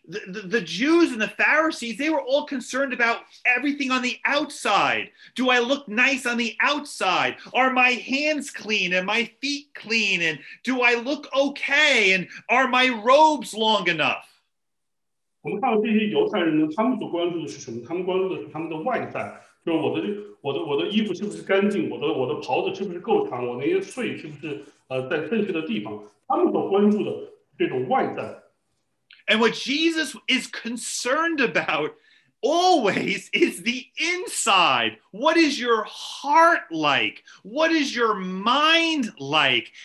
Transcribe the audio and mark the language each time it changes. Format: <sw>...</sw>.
<en>the Jews and the Pharisees, they were all concerned about everything on the outside. Do I look nice on the outside? Are my hands clean and my feet clean? And do I look okay? And are my robes long enough?</en> <zh>我们看到这些犹太人呢，他们所关注的是什么？他们关注的是他们的外在，就是我的衣服是不是干净？我的袍子是不是够长？我那些穗是不是？</zh> <en>And what Jesus is concerned about always is the inside. What is your heart like? What is your mind like?</en>